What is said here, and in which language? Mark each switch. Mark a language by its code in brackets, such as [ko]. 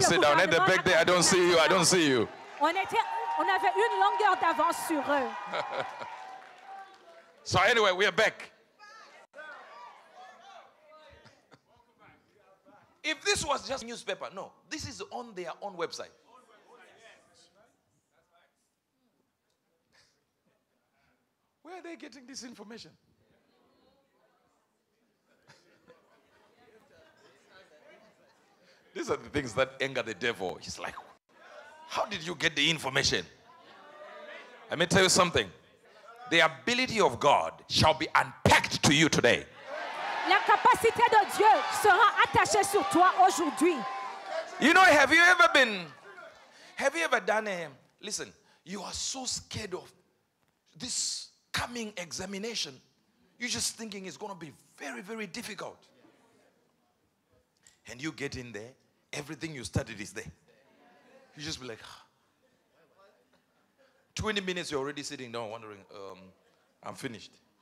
[en] Sit down. At the back there, I don't see you. [fr] On avait une longueur d'avance sur eux. [en] So anyway, we are back. If this was just newspaper, no. This is on their own website. Where are they getting this information? These are the things that anger the devil. He's like, how did you get the information? Let me tell you something. The ability of God shall be unpacked to you today. [fr] La capacité de Dieu sera attachée sur toi aujourd'hui. [en] You know, have you ever done, you are so scared of this coming examination. You're just thinking it's going to be very, very difficult. And you get in there, everything you studied is there. You just be like, 20 minutes you're already sitting down wondering, I'm finished.